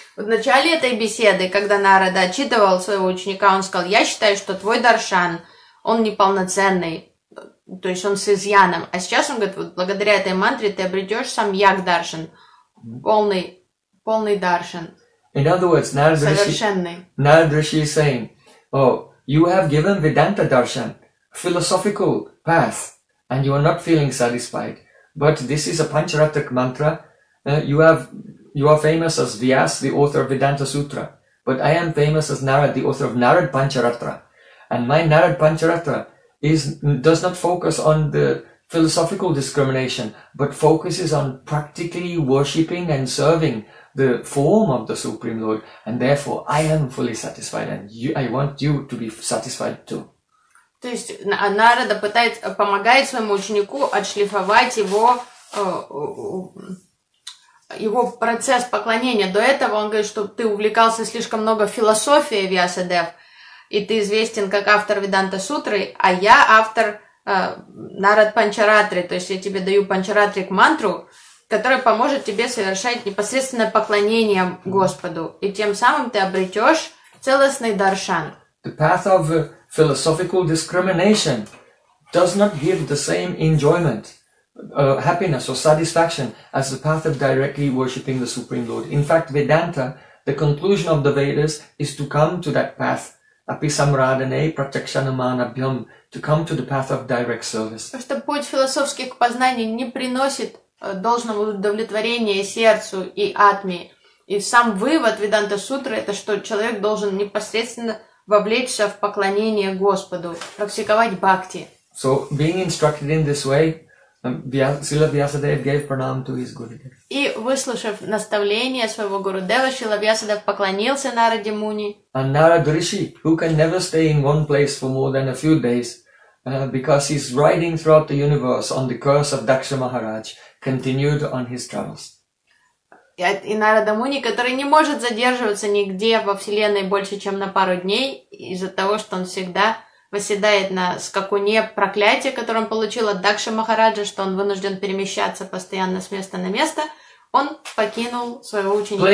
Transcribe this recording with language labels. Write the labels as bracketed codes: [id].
[ru] В начале этой беседы, когда Нарада отчитывал своего ученика, он сказал, я считаю, что твой даршан, он неполноценный, то есть он с изъяном. А сейчас он говорит, вот благодаря этой мантре ты обретешь сам як даршан, полный даршан, [en] In other words, [ru] совершенный. [en] Narada Rishi is saying, oh, you have given Vedanta darshan, philosophical path, and you are not feeling satisfied. But this is a Pancharatak mantra, You are famous as Vyas, the author of Vedanta Sutra, but I am famous as Narad, the author of Narad Pancharatra. And my Narad Pancharatra does not focus on the philosophical discrimination, but focuses on practically worshipping and serving the form of the Supreme Lord. And therefore, I am fully satisfied, and I want you to be satisfied too. [ru] То есть Нарада помогает своему ученику отшлифовать его процесс поклонения. До этого он говорит, что ты увлекался слишком много философией, Вьясадев, и ты известен как автор Веданта Сутры, а я автор Нарад Панчаратри. То есть я тебе даю Панчаратрик мантру, которая поможет тебе совершать непосредственное поклонение Господу. И тем самым ты обретешь целостный даршан. [en] The path of philosophical discrimination does not give the same enjoyment, happiness or satisfaction as the path of directly worshipping the Supreme Lord. In fact, Vedanta, the conclusion of the Vedas, is to come to that path, [sa] Apisamradane Pratyakshanamanabhyam, [en] to come to the path of direct service. [ru] Что путь философских познаний не приносит должного удовлетворения сердцу и атме. И сам вывод Веданта Сутры это что человек должен непосредственно вовлечься в поклонение Господу, практиковать бхакти. [en] So, being instructed in this way, Srila Vyasadeva gave pranam to his Gurudev. [ru] И выслушав наставление своего Гурудева, Шрила Вьясадев поклонился Нараде Муни. [en] And Narada Rishi, who can never stay in one place for more than a few days, because he's riding throughout the universe on the curse of Daksha Maharaj, continued on his travels. [ru] И Нарада Муни, который не может задерживаться нигде во Вселенной больше, чем на пару дней, из-за того, что он всегда восседает на скакуне проклятия, которое он получил от Дакши Махараджа, что он вынужден перемещаться постоянно с места на место, он покинул своего ученика.